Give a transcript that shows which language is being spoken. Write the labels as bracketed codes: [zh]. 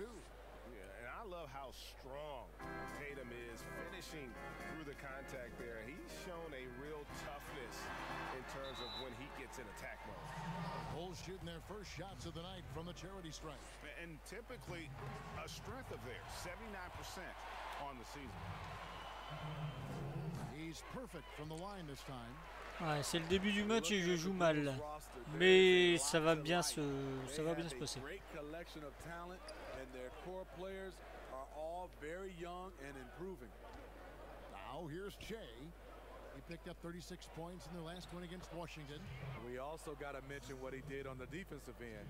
[en] Yeah, and I love how strong Tatum is finishing through the contact there. He's shown a real toughness in terms of when he gets in attack mode. Bulls shooting their first shots of the night from the charity stripe. And typically a strength of theirs, 79% on the season. He's perfect from the line this time. [fr] Ouais, c'est le début du match et je joue mal. Mais ça va bien se passer. [en] Great collection of talent and their core players are all very young and improving. Now here's Jay. He picked up 36 points in their last win against Washington. We also got to mention what he did on the defensive end.